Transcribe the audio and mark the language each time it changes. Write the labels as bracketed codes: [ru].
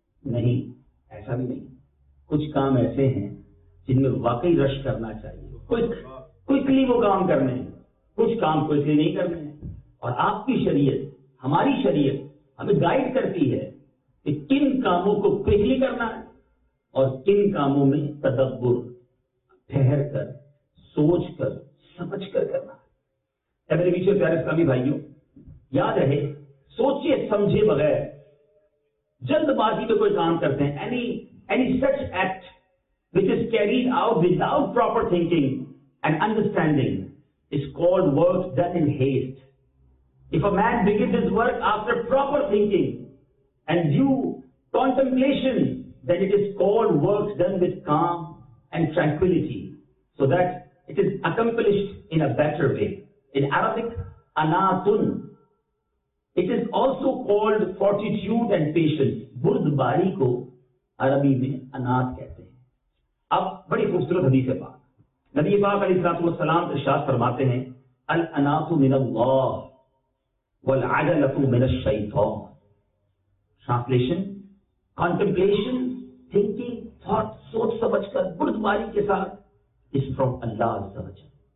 [ur] نہیں، ایسا بھی نہیں. کچھ کام ایسے ہیں جن میں واقعی رش کرنا چاہیے، کوئکلی وہ کام کرنے ہیں، کچھ کام کوئکلی نہیں کرنے ہیں. اور آپ کی شریعت، ہماری شریعت ہمیں گائیڈ کرتی ہے کہ کن کاموں کو کوئکلی کرنا ہے اور کن کاموں میں تدبر، ٹھہر کر، سوچ کر، سمجھ کر کرنا ہے. میرے بیچے پیارے اسلامی بھائیوں، یاد رہے، سوچے سمجھے بغیر جلد بازی میں کوئی کام کرتے ہیں، [en] any such act which is carried out without proper thinking and understanding is called work done in haste. If a man begins his work after proper thinking and due contemplation, then it is called work done with calm and tranquility, so that it is accomplished in a better way. In Arabic, anatun. It is also called fortitude and patience. [ur] Burdbari ko عربی میں انات کہتے ہیں. اب بڑی خوبصورت حدیث پاک، نبی پاک علیہ الصلوۃ والسلام ارشاد فرماتے ہیں، [ar] الانات من اللہ والعجلۃ من الشیطان. [ur] ٹرانسلیشن، کانٹمپلیشن، تھنکنگ، تھاٹ، سوچ سمجھ کر، بردباری کے ساتھ، از فرام اللہ عز و جل.